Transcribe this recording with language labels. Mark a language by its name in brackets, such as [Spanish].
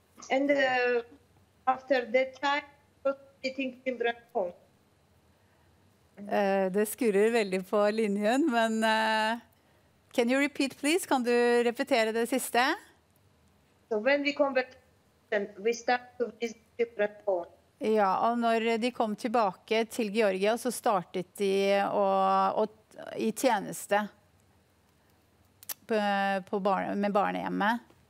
[English] And after that time, we think children home. [Norwegian] Det skurrer veldig på linjen, men [English] can you repeat, please? [Norwegian] Kan du repetere det siste? [English] So when we come back, then we start to visit different homes. [Norwegian] Ja, og når de kom tilbake til Georgia, så startet de i tjeneste med barnehjemmet.